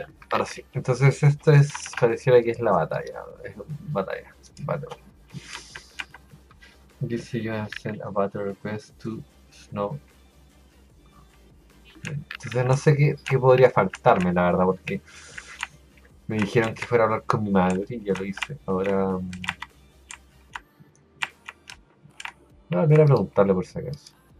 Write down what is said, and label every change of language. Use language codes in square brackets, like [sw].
[es] Ahora sí, entonces esto es, pareciera que es la batalla, es batalla, battle. [en] Dice, you have sent a battle request to Snow. [es] Entonces no sé qué podría faltarme, la verdad, porque me dijeron que fuera a hablar con mi madre y ya lo hice. Ahora, voy a preguntarle por si acaso.